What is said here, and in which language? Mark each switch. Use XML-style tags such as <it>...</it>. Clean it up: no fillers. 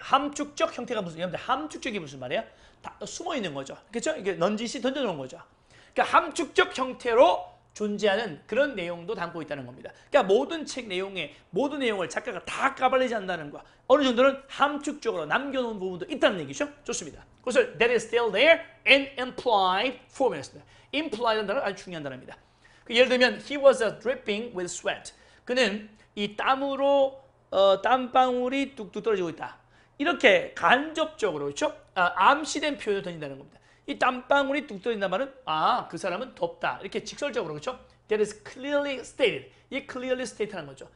<ko>함축적 형태가 무슨 말이야? 함축적이 무슨 말이야? 다 숨어 있는 거죠. 그렇죠? 이게 넌지시 던져 놓은 거죠. 그러니까 함축적 형태로 존재하는 그런 내용도 담고 있다는 겁니다. 그러니까 모든 책 내용에 모든 내용을 작가가 다 까발리지 않는다는 거. 어느 정도는 함축적으로 남겨 놓은 부분도 있다는 얘기죠. 좋습니다. 그것을</ko> <en>that is still there in implied form.</en> <ko>Implied란 단어 아주 중요한 단어입니다. 예를 들면</ko> <en>he was dripping with sweat.</en> <ko>그는 이 땀으로 땀방울이 뚝뚝 떨어지고 있다. 이렇게 간접적으로 그렇죠? 암시된 표현을 던진다는 겁니다. 이 땀방울이 뚝 떨어진다는 말은 아, 그 사람은 덥다. 이렇게 직설적으로 그렇죠?</ko> <en>That is clearly stated.</en> <ko>이게</ko> <en>clearly stated라는 거죠.</en>